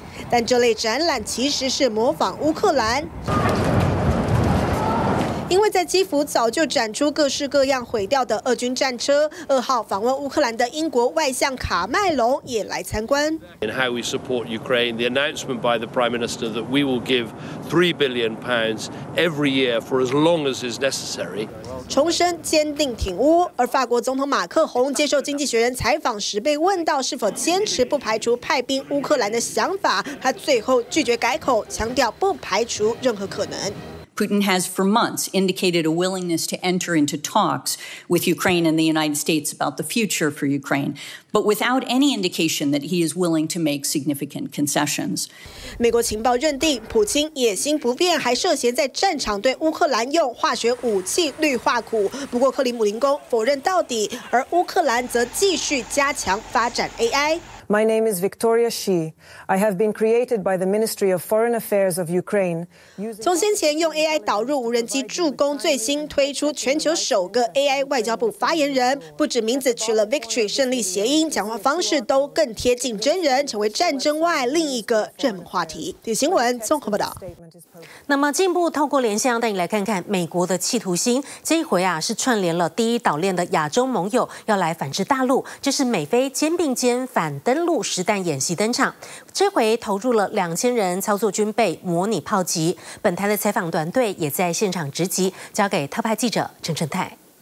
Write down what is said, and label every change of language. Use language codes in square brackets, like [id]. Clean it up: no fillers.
[zh] 但这类展览其实是模仿乌克兰，因为在基辅早就展出各式各样毁掉的俄军战车。二号访问乌克兰的英国外相卡麦隆也来参观。 [en] In how we support Ukraine, the announcement by the Prime Minister that we will give £3 billion every year for as long as is necessary. [zh] 重申坚定挺乌。而法国总统马克宏接受《经济学人》采访时，被问到是否坚持不排除派兵乌克兰的想法，他最后拒绝改口，强调不排除任何可能。 [en] Putin has for months indicated a willingness to enter into talks with Ukraine and the United States about the future for Ukraine, but without any indication that he is willing to make significant concessions. [zh] 美国情报认定普京野心不变，还涉嫌在战场对乌克兰用化学武器氯化钴。不过克里姆林宫否认到底，而乌克兰则继续加强发展 AI。 [en] My name is Victoria Xi. I have been created by the Ministry of Foreign Affairs of Ukraine. [zh] 从先前用 AI 导入无人机助攻，最新推出全球首个 AI 外交部发言人，不止名字取了 Victory 胜利谐音，讲话方式都更贴近真人，成为战争外另一个热门话题。李新闻综合报道。那么进一步透过连线带你来看看美国的企图心，这一回啊是串联了第一岛链的亚洲盟友要来反制大陆，这是美菲肩并肩反登陆实弹演习登场，这回投入了2000人操作军备模拟炮击，本台的采访团队也在现场直击，交给特派记者陈成泰。